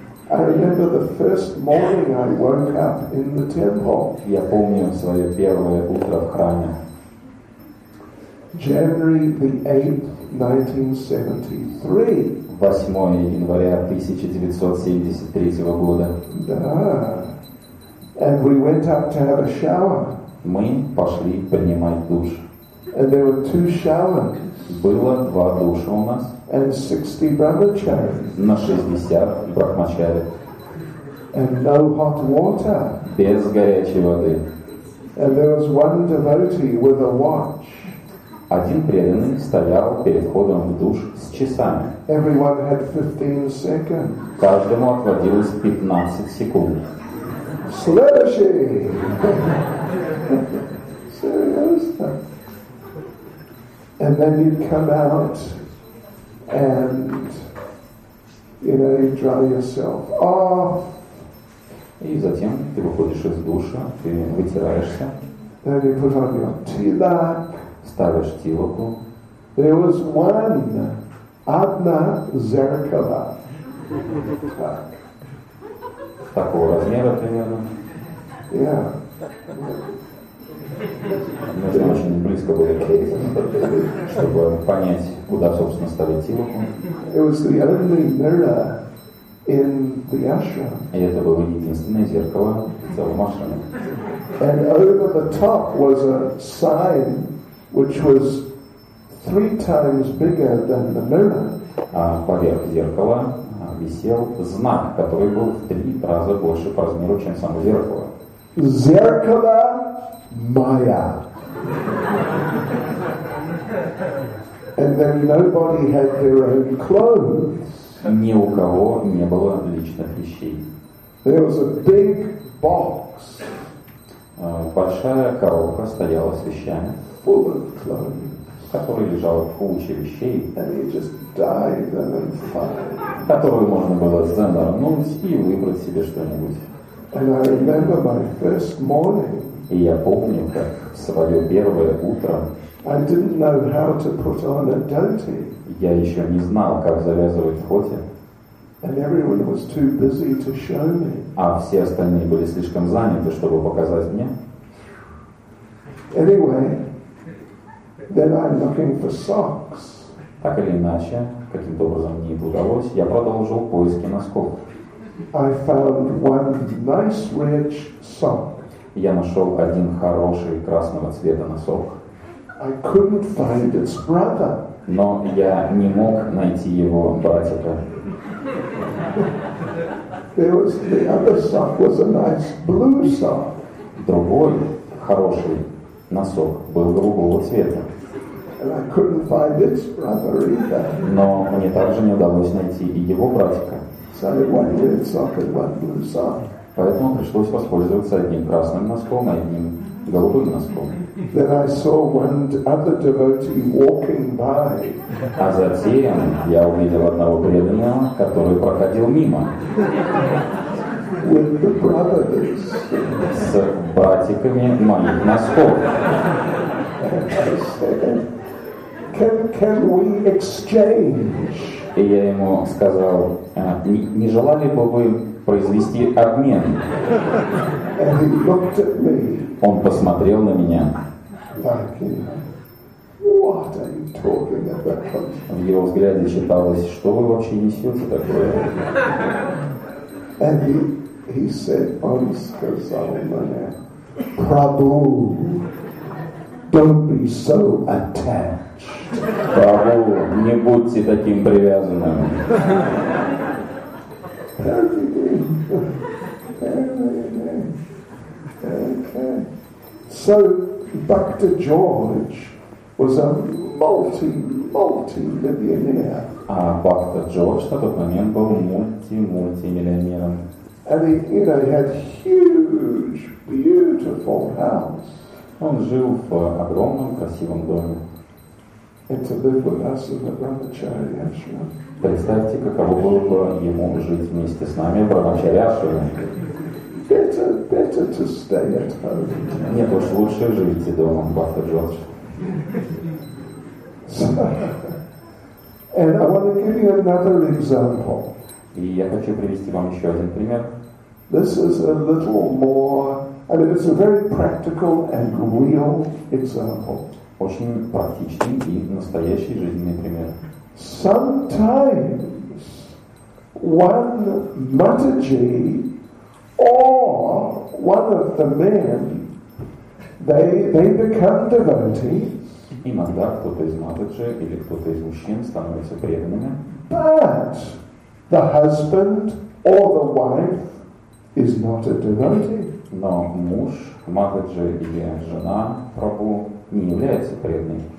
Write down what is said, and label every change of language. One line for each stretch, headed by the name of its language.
English: I remember the first morning I woke up in the temple.
Russian: Я помню своё первое утро в храме.
English: January 8, 1973.
Russian: 8 января 1973 года. Да.
English: And we went up to have a shower.
Russian: Мы пошли принимать душ.
English: And there were two shavans.
Russian: Было два душа у нас.
English: And 60 brahmacharis.
Russian: На 60 брахмачари.
English: And no hot water.
Russian: Без горячей воды.
English: And there was one devotee with a watch.
Russian: Один преданный стоял перед входом в душ с часами.
English: Everyone had 15 seconds.
Russian: Каждому отводилось 15 секунд. Следующий! Серьезно?
English: And then you'd come out and, you know, you'd dry yourself off.
Russian: И затем ты выходишь из душа, ты вытираешься.
English: Then you put on your tilak.
Russian: Ставишь тилаку.
English: There was one,
Russian: одна зеркала. Такого размера примерно.
English: Yeah.
Russian: Мы там очень близко были к Кейзе, чтобы понять, куда, собственно, ставить тилаку.
English: It was the only mirror in the ashram.
Russian: И это было единственное зеркало в целом ашраме.
English: And over the top was a sign which was three times bigger than the mirror.
Russian: А поверх зеркала висел знак, который был в три раза больше по размеру, чем само зеркало. Зеркало Майя.
English: And then nobody had their own clothes.
Russian: Ни у кого не было личных вещей.
English: There was a big box.
Russian: Большая коробка стояла с вещами.
English: Full of clothes.
Russian: Которой лежала куча вещей.
English: And you just dive them and find.
Russian: Которую можно было занырнуть и выбрать себе что-нибудь.
English: And I remember my first morning.
Russian: И я помню, как в свое первое утро
English: I didn't know how to put on a dhoti.
Russian: Я еще не знал, как завязывать дхоти.
English: And everyone was too busy to show me.
Russian: А все остальные были слишком заняты, чтобы показать мне.
English: Anyway, then I'm looking for socks.
Russian: Так или иначе, каким-то образом мне это удалось, я продолжил поиски носков.
English: I found one nice rich sock.
Russian: Я нашел один хороший красного цвета носок.
English: I couldn't find its brother.
Russian: Но я не мог найти его братика.
English: There was the other sock was a nice blue sock.
Russian: Другой хороший носок был голубого цвета.
English: And I couldn't find its brother either.
Russian: Но мне также не удалось найти и его братика.
English: So I had one red sock and one blue sock.
Russian: Поэтому пришлось воспользоваться одним красным носком и одним голубым носком.
English: Then I saw one other devotee walking by.
Russian: А затем я увидел одного преданного, который проходил мимо.
English: With the brothers.
Russian: С братиками моих носков.
English: I said, can we exchange?
Russian: И я ему сказал, не желали бы вы произвести обмен.
English: And he looked at me.
Russian: Он посмотрел на меня.
English: Like, you know, what are you talking about?
Russian: В его взгляде читалось, что вы вообще несете такое.
English: And he said,
Russian: он сказал мне,
English: Prabhu, don't be so attached.
Russian: Prabhu, не будьте таким привязанным.
English: So Bhakti George was a multi-millionaire.
Russian: А Бхакти Джордж на тот момент был мульти-мультимиллионером.
English: And he, you know, had huge, beautiful house.
Russian: Он жил в огромном красивом доме.
English: And to live with us in the Brahmachari Ashram.
Russian: Представьте, каково было бы ему жить вместе с нами в Брахмачари Ашраме.
English: Better to stay at home.
Russian: Нет, уж лучше живите дома, Бхакти Джордж.
English: And I want to give you another example.
Russian: И я хочу привести вам еще один пример.
English: This is a little more, I mean, it's a very practical and real example.
Russian: Очень практичный и настоящий жизненный пример.
English: Sometimes one Mataji or one of the men they become devotees.
Russian: Иногда кто-то из матаджи или кто-то из мужчин становится преданными.
English: But the husband or the wife is not a devotee.
Russian: Но муж, матаджи или жена, прабу, не является преданным.